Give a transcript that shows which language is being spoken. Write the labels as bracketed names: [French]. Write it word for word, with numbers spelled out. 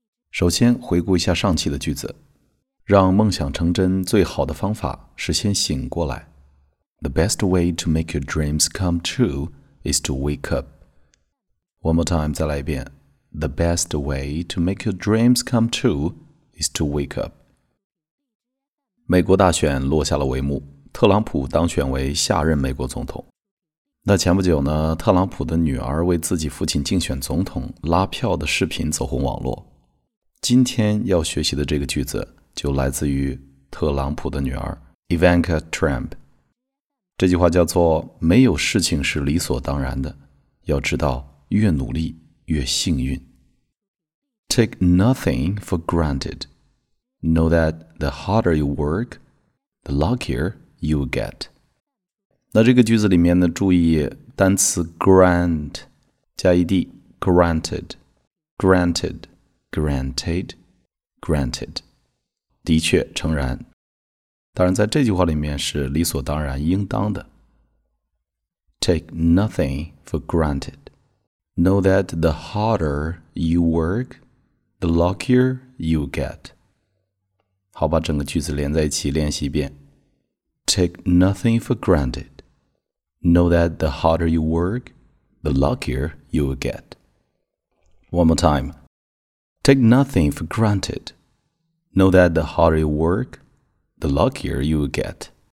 [Chinese] 首先回顾一下上期的句子，让梦想成真最好的方法是先醒过来。 [English] The best way to make your dreams come true is to wake up. One more time, [Chinese] 再来一遍。 [English] The best way to make your dreams come true is to wake up. [Chinese] 美国大选落下了帷幕。特朗普当选为下任美国总统。那前不久呢，特朗普的女儿为自己父亲竞选总统拉票的视频走红网络。今天要学习的这个句子就来自于特朗普的女儿 Ivanka Trump。这句话叫做没有事情是理所当然的，要知道越努力越幸运。 [English] Take nothing for granted. Know that the harder you work, the luckier. You get. [Chinese] 那这个句子里面呢，注意单词 grant 加 ed granted, granted, granted, granted. 的确，诚然。当然，在这句话里面是理所当然、应当的。 [English] Take nothing for granted. Know that the harder you work, the luckier you get. [Chinese] 好，把整个句子连在一起练习一遍。 [English] Take nothing for granted. Know that the harder you work, the luckier you will get. One more time. Take nothing for granted. Know that the harder you work, the luckier you will get.